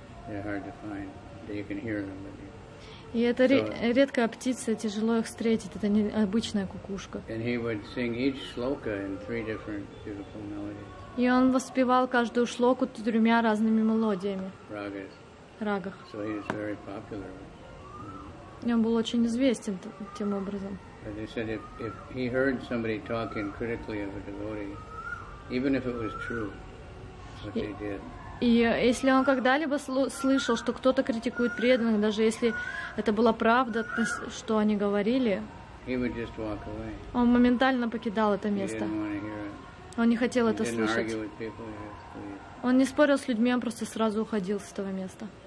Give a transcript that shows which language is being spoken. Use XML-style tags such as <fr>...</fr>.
<en>They're hard to find, but you can hear them. But</en> <ru>и это редкая птица, тяжело их встретить. Это не обычная кукушка.</ru> <en>And he would sing each shloka in 3 different beautiful melodies.</en> <ru>И он воспевал каждую шлоку 3 разными мелодиями. Рагах. Рагах.</ru> <en>So he was very popular.</en> <ru>И он был очень известен тем образом.</ru> <en>But they said if he heard somebody talking critically of a devotee, even if it was true, what they did.</en> <ru>И если он когда-либо слышал, что кто-то критикует преданных, даже если это была правда, что они говорили,</ru> <en>He would just walk away.</en> <ru>Он моментально покидал это место. Он не хотел</ru> <en>He</en> <ru>это слышать.</ru> <en>With people,</en> <ru>он не спорил с людьми, он просто сразу уходил с этого места.</ru>